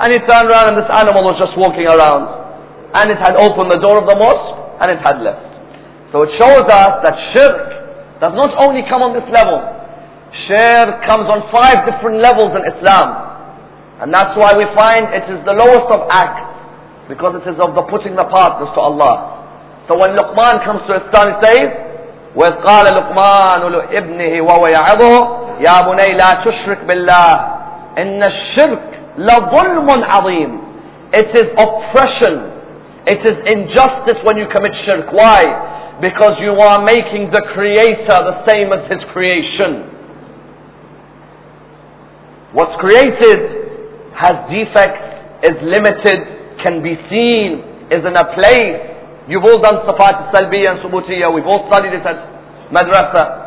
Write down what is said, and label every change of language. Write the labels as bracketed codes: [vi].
[en] And he turned around and this animal was just walking around. And it had opened the door of the mosque and it had left. So it shows us that shirk does not only come on this level. Shirk comes on five different levels in Islam. And that's why we find it is the lowest of acts. Because it is of the putting the partners to Allah. So when Luqman comes to his son, he says, [ar] وَقَالَ لُقْمَانُ لِإِبْنِهِ وَوَيَعِظُهُ يَا بُنَيْ لَا تُشْرِكْ بِاللَّهِ إِنَّ الشِّرْكِ لَظُلْمٌ عَظِيمٌ. [en] It is oppression. It is injustice when you commit shirk. Why? Because you are making the Creator the same as His creation. What's created has defects, is limited, can be seen, is in a place. You've all done Sifat al-Salbiyya and Subutiyya. We've all studied it at madrasa.